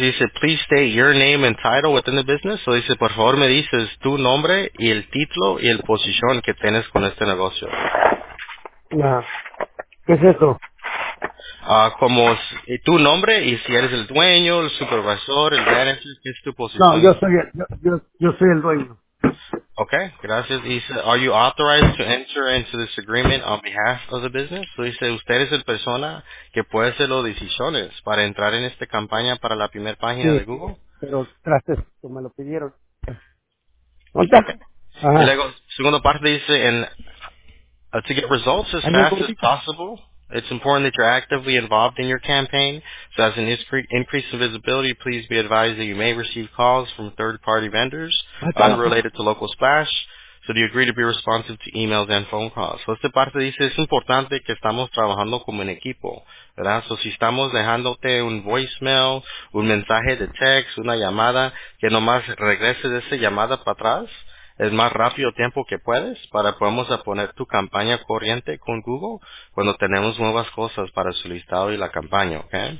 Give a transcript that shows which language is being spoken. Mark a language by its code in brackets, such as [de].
[es] Dice, [en] please state your name and title within the business. [es] So dice, por favor me dices tu nombre y el título y el posición que tienes con este negocio. ¿Qué es esto? Como tu nombre y si eres el dueño, el supervisor, el manager, ¿qué es tu posición? No, yo soy el dueño. Okay, gracias. Dice, [en] are you authorized to enter into this agreement on behalf of the business? [es] So dice, usted es la persona que puede hacer las decisiones para entrar en esta campaña para la primera página sí, de Google. Pero tras esto me lo pidieron. Y luego, segunda parte dice, [en] to get results as fast as possible. It's important that you're actively involved in your campaign. So as an increase in visibility, please be advised that you may receive calls from third-party vendors unrelated to Local Splash. So do you agree to be responsive to emails and phone calls? [es] So esta parte dice, es importante que estamos trabajando como un equipo, ¿verdad? So si estamos dejándote un voicemail, un mensaje de text, una llamada, que nomás regreses esa llamada para atrás, es más rápido tiempo que puedes para podemos poner tu campaña corriente con Google cuando tenemos nuevas cosas para su listado y la campaña, ¿ok?